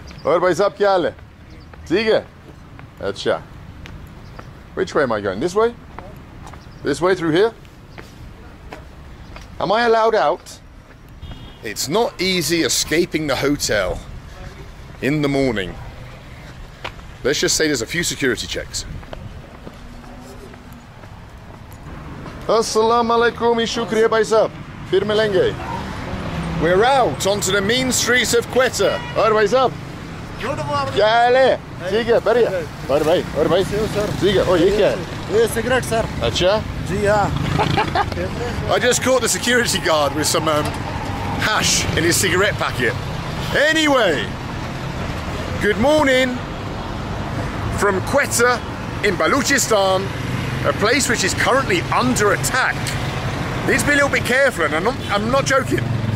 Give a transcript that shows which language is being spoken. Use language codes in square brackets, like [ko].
[ur] اور بھائی صاحب کیا حال ہے؟ ٹھیک ہے؟ Acha. [en] Which way am I going? This way? This way through here? Am I allowed out? It's not easy escaping the hotel in the morning. Let's just say there's a few security checks. [ur] السلام علیکم، شکریہ بھائی صاحب. پھر ملیں گے. [en] We're out onto the mean streets of Quetta. [ur] اور بھائی صاحب. کیا حال ہے؟ ٹھیک ہے، بڑھیا. اور بھائی. ٹھیک ہے. اوہ، یہ کیا hai? Ye cigarette, sir. Acha? Ji ha. [en] I just caught the security guard with some hash in his cigarette packet. Anyway, good morning from Quetta in Balochistan. A place which is currently under attack. Need to be a little bit careful, and I'm not joking.